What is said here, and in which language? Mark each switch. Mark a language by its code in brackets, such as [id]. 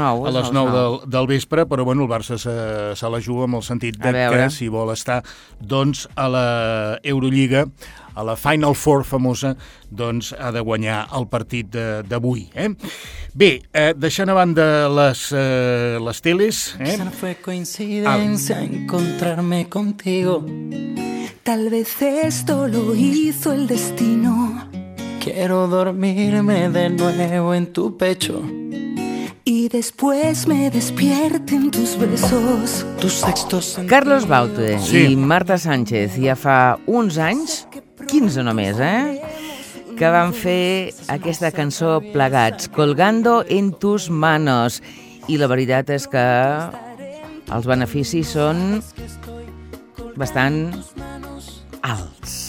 [ca] A les 9 del vespre, però bueno, el Barça se la juga amb el sentit que si vol estar doncs a la Eurolliga, a la Final Four famosa, doncs ha de guanyar el partit d'avui. Bé, deixant a banda les teles... [es] Quizá no fue coincidencia encontrarme contigo. Tal vez esto lo hizo el destino. Quiero dormirme de nuevo en tu pecho y después me despierte en tus besos. [ca] Carlos Baute i Marta Sánchez ja fa uns anys, 15 només, que van fer aquesta cançó plegats, Colgando en tus manos. I la veritat és que els beneficis són bastant alts.